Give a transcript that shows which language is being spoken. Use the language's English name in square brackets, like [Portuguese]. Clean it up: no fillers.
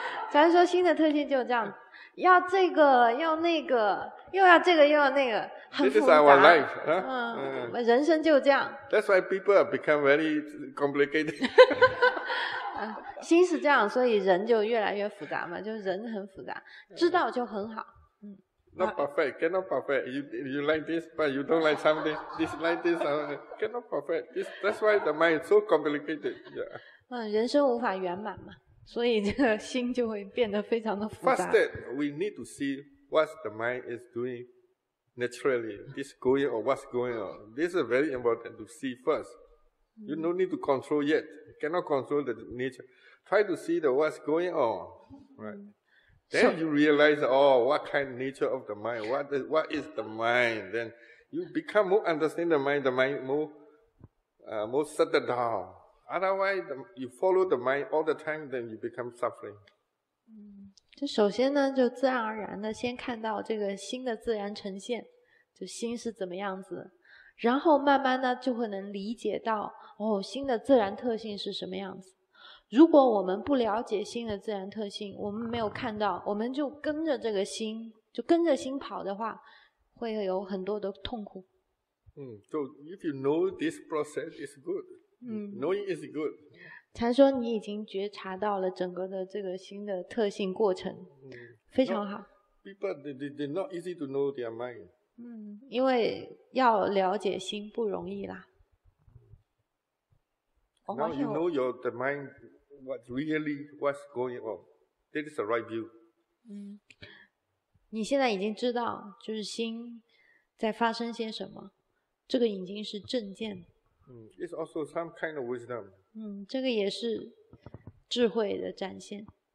[Chinese] 传说心的特性就是这样，要这个，要那个，又要这个，又要那个，很复杂。 [English] This is our life, [Chinese] huh? 人生就这样。 [English] That's why people become very complicated. [Chinese] 心是这样，所以人就越来越复杂嘛，就人很复杂，知道就很好。 [English] Not perfect, cannot perfect. You like this, but you don't like something. This like this, cannot perfect. That's why the mind is so complicated. Yeah. [Chinese] 人生无法圆满嘛，所以这个心就会变得非常的复杂。 [English] First step, we need to see what the mind is doing naturally. This going or what's going on. This is very important to see first. You no need to control yet. You cannot control the nature. Try to see the what's going on, right? Then you realize, oh, what kind of nature of the mind? What is the mind? Then you become more understand the mind more settled down. Otherwise, you follow the mind all the time, then you become suffering. [Chinese] 就首先呢，就自然而然的先看到这个心的自然呈现，就心是怎么样子，然后慢慢呢就会能理解到，哦，心的自然特性是什么样子。如果我们不了解心的自然特性，我们没有看到，我们就跟着这个心，就跟着心跑的话，会有很多的痛苦。 [English] So if you know this process is good. Knowing is good. [Chinese] 禅说你已经觉察到了整个的这个心的特性过程，非常好。 [English] People, they're not easy to know their mind. [Chinese] 因为要了解心不容易啦。 [English] Now you know your the mind what's really what's going on. That is the right view. [Chinese] 你现在已经知道，就是心在发生些什么，这个已经是正见。 [English] It's also some kind of wisdom. [Chinese] 这个也是智慧的展现。